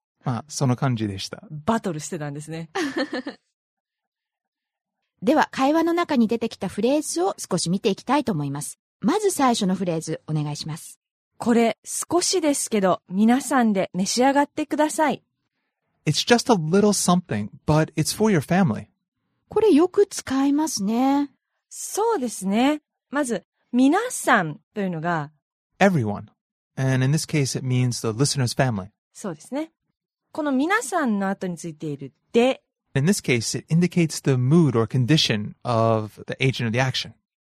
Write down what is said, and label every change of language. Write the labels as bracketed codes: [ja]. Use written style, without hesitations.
[ja] まあその感じでした。バトルしてたんですね。では会話の中に出てきたフレーズを少し見ていきたいと思います。まず最初のフレーズお願いします。これ少しですけど皆さんで召し上がってください。 [en] It's just a little something, but it's for your family. [ja] これよく使いますね。そうですね。まず皆さんというのが [en] Everyone. And in this case it means the listener's family. [ja] そうですね。この皆さんの後についているで [en] In this case it indicates the mood or condition of the agent of the action.